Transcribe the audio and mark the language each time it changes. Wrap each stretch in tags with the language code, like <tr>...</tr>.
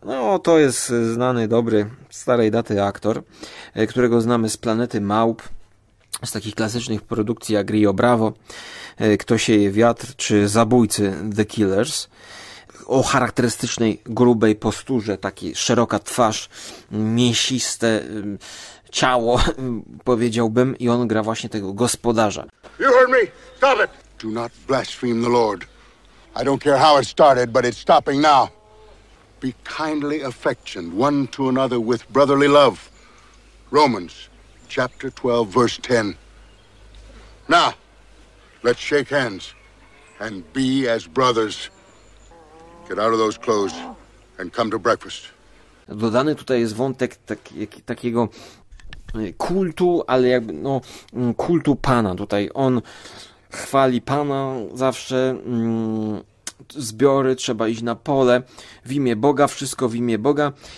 <pl>No, to jest znany, dobry, starej daty aktor, którego znamy z Planety Małp, z takich klasycznych produkcji jak Rio Bravo, Kto sieje wiatr, czy Zabójcy, The Killers. O charakterystycznej, grubej posturze, taki szeroka twarz, mięsiste ciało, powiedziałbym, i on gra właśnie tego gospodarza.</pl> <en>You heard me! Stop it! Do not blaspheme the Lord. I don't care how it started, but it's stopping now. Be kindly affectioned one to another with brotherly love. Romans, chapter 12, verse 10. Now, let's shake hands and be as brothers. Get out of those clothes and come to breakfast.</en> <pl>Dodany tutaj jest wątek takiego kultu, ale jakby no kultu Pana. Tutaj on chwali Pana zawsze. Zbiory, trzeba iść na pole w imię Boga, wszystko w imię Boga.</pl>